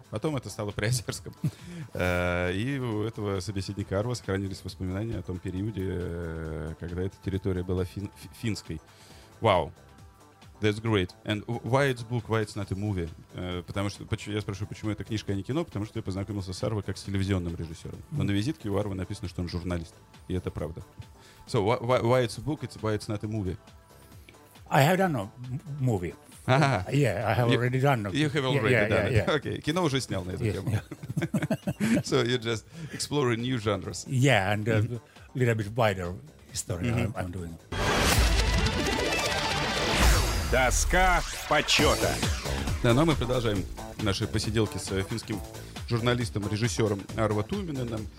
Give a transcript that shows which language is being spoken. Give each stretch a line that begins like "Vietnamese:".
Russian: Потом это стало Приозерском. И у этого собеседника Арва сохранились воспоминания о том периоде, когда эта территория была финской.
English: Вау. Wow. That's great. And why it's book, why it's not a movie?
Russian: Потому что, я спрашиваю, почему это книжка, а не кино? Потому что я познакомился с Арвой как с телевизионным режиссером. Но на визитке у Арвы написано, что он журналист. И это правда.
English: So, why it's a book, why it's not a movie? I have done a movie. Ah. Yeah, I have already done. You have already done it.
Russian: Okay, кино уже снял на эту тему.
English: So you're just exploring new genres. Yeah, and a little bit wider story I'm doing.
Russian: Доска почета. Да, ну а мы продолжаем наши посиделки с финским журналистом, режиссером Арво Туминеном.